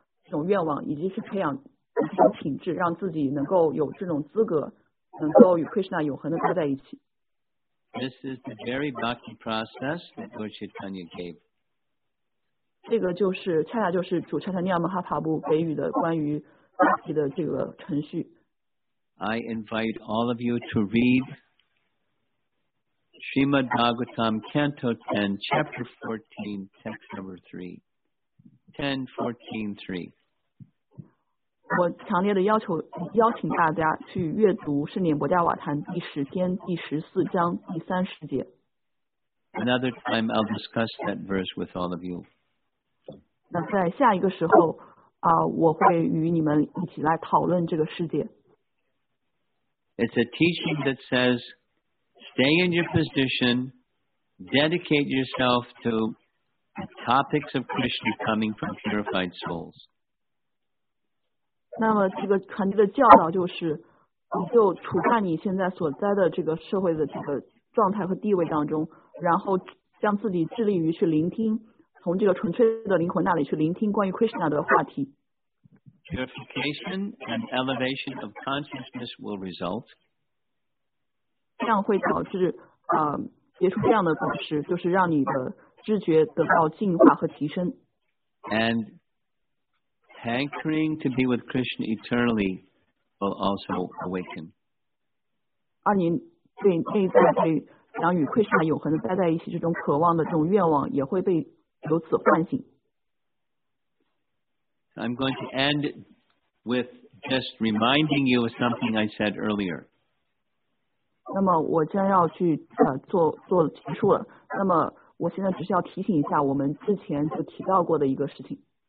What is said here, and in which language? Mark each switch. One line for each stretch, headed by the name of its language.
Chinese: 这种愿望，以及去培养这种品质，让自己能够有这种资格，能够与 Krishna 永恒的待在一起。
English: This is the very bhakti process that Guru Chaitanya gave.
Chinese: 这个就是恰恰就是主 Chaitanya Mahaprabhu 给予的关于 bhakti 的这个程序。
English: I invite all of you to read Srimad Bhagavatam Canto 10, Chapter 14, Text Number 3. 10, 14, 3.
Chinese: 我强烈的要求邀请大家去阅读《圣念博加瓦坛》第十篇第十四章第三十节。
English: Another time I'll discuss that verse with all of you.
Chinese: 那在下一个时候啊、我会与你们一起来讨论这个世界。
English: It's a teaching that says, stay in your position, dedicate yourself to. Topics of Krishna coming from purified souls.
Chinese: 那么这个传递的教导就是，你就处在你现在所在的这个社会的这个状态和地位当中，然后将自己致力于去聆听，从这个纯粹的灵魂那里去聆听关于 Krishna 的话题。
English: Purification and elevation of consciousness will result.
Chinese: 这样会导致啊、结出这样的果实，就是让你的。知觉得到进化和提升。
English: And hankering to be with Krishna eternally will also awaken.
Chinese: 而你对内在对想与 Krishna 永恒的待在一起这种渴望的这种愿望也会被由此唤醒。
English: I'm going to end with just reminding you of something I said earlier.
Chinese: 那么我将要去、做结束了。那么我现在只是要提醒一下我们之前就提到过的一个事情。